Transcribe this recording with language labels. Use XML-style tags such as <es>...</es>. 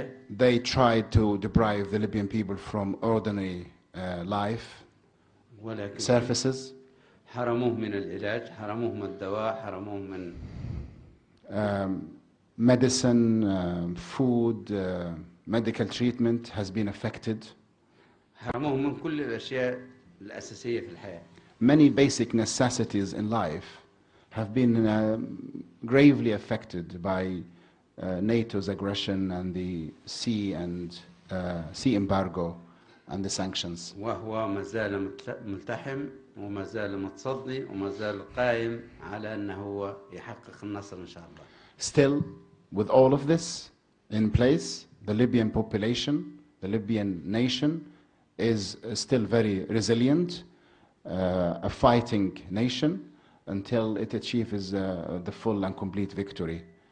<en>They tried to deprive the Libyan people from ordinary life surfaces.</en> <ar>حرموه من العلاج، حرموه من الدواء، حرموه من</ar> <en>medicine, food, medical treatment has been affected.</en> <ar>حرموه من كل الأشياء الأساسية في الحياة.</ar> <en>Many basic necessities in life have been gravely affected by NATO's aggression and the sea and sea embargo and the sanctions.</en> <ar>وهو ما زال ملتحم وما زال متصدي وما زال قائم على أنه هو يحقق النصر إن شاء الله.</ar> <en>Still, with all of this in place, the Libyan population, the Libyan nation, is still very resilient, a fighting nation, until it achieves the full and complete victory.</en>